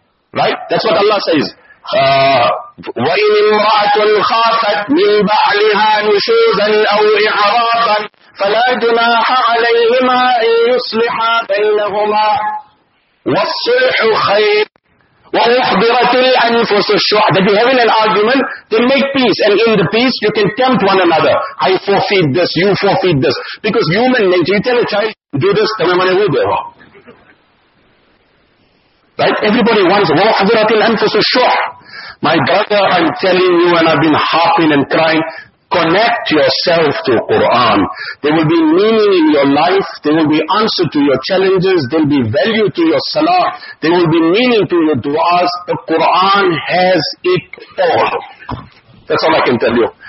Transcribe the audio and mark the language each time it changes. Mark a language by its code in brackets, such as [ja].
[en] Right? That's what Allah says. [ar] وَإِنْ إِمْرَأَةٌ خَافَتْ مِنْ بَعْلِهَا نُشُوزًا أَوْ إِعْرَاضًا فَلَا جُنَاحَ عَلَيْهِمَا إِنْ يُصْلِحَا بَيْنَهُمَا وَالصُّلْحُ خَيْرٌ وَأُحْضِرَتِ الْأَنفُسُ الشُّعَ. [en] That you have in an argument, then make peace. And in the peace, you can tempt one another. I forfeit this, you forfeit this. Because human nature, you tell a child, do this, then I'm going to do this. Right? Everybody wants [ar] وَوَحْذِرَةِ الْأَنفُسُ الشُّعْ. [en] My brother, I'm telling you, and I've been harping and crying, connect yourself to Quran. There will be meaning in your life, there will be answer to your challenges, there will be value to your salah, there will be meaning to your du'as. The Quran has it all. That's all I can tell you.